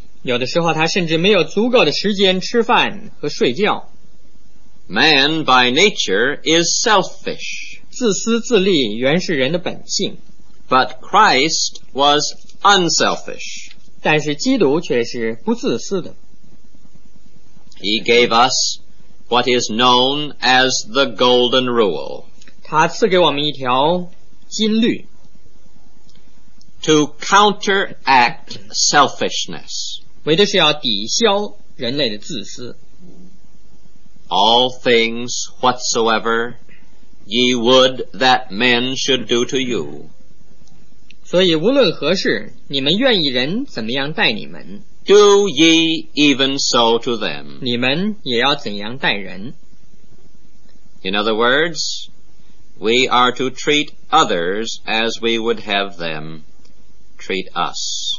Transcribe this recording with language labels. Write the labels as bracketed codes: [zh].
[zh] 有的时候他甚至没有足够的时间吃饭和睡觉。 [en] Man by nature is selfish. [zh] 自私自利原是人的本性。 [en] But Christ was unselfish. [zh] 但是基督却是不自私的。 [en] He gave us what is known as the golden rule. [zh] 他赐给我们一条金律。 [en] To counteract selfishness. [zh] 为的是要抵消人类的自私。 [en] All things whatsoever ye would that men should do to you. [zh] 所以无论何事你们愿意人怎么样待你们 [en] Do ye even so to them [zh] 你们也要怎样待人 [en] In other words We are to treat others as we would have them treat us